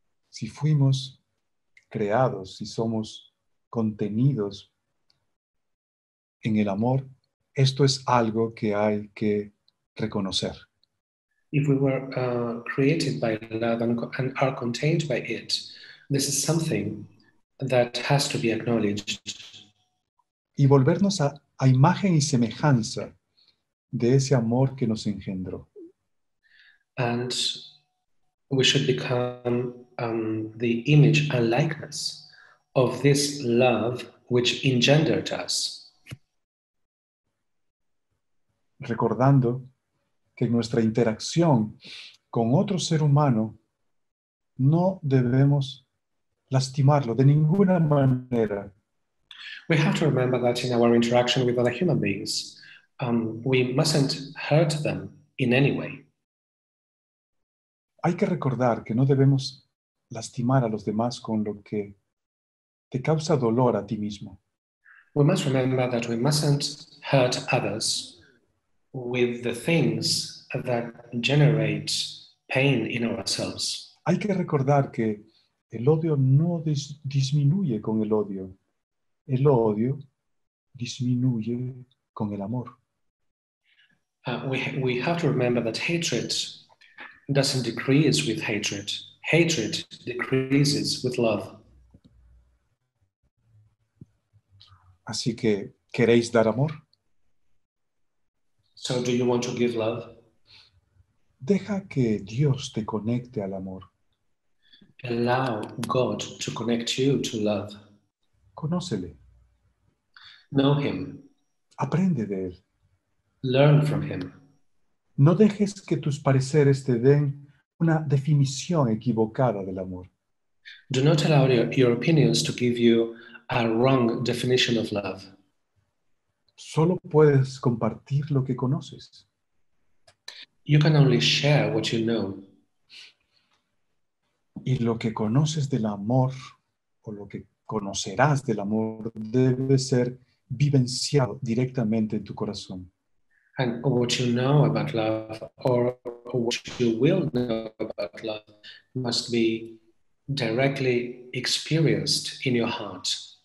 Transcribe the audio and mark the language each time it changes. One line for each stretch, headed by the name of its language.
Spanish: Si fuimos creados, si somos contenidos en el amor, esto es algo que hay que reconocer.
English: If we were created by love and are contained by it, this is something that has to be acknowledged.
Spanish: Y volvernos a imagen y semejanza de ese amor que nos engendró.
English: And we should become the image and likeness of this love which engendered us.
Spanish: Recordando que nuestra interacción con otro ser humano no debemos lastimarlo de ninguna manera.
English: We have to remember that in our interaction with other human beings, we mustn't hurt them in any way.
Spanish: Hay que recordar que no debemos lastimar a los demás con lo que te causa dolor a ti mismo.
English: We must remember that we mustn't hurt others with the things that generate pain in ourselves.
Spanish: Hay que recordar que el odio no disminuye con el odio. El odio disminuye con el amor.
English: We have to remember that hatred doesn't decrease with hatred. Hatred decreases with love.
Spanish: Así que, ¿queréis dar amor?
English: So do you want to give love?
Spanish: Deja que Dios te conecte al amor.
English: Allow God to connect you to love.
Spanish: Conócele.
English: Know him.
Spanish: Aprende de él.
English: Learn from him.
Spanish: No dejes que tus pareceres te den una definición equivocada del amor.
English: Do not allow your opinions to give you a wrong definition of love.
Spanish: Solo puedes compartir lo que conoces.
English: You can only share what you know.
Spanish: Y lo que conoces del amor, o lo que conocerás del amor, debe ser vivenciado directamente en tu corazón.
English: And what you know about love, or what you will know about love, must be directly experienced in your heart.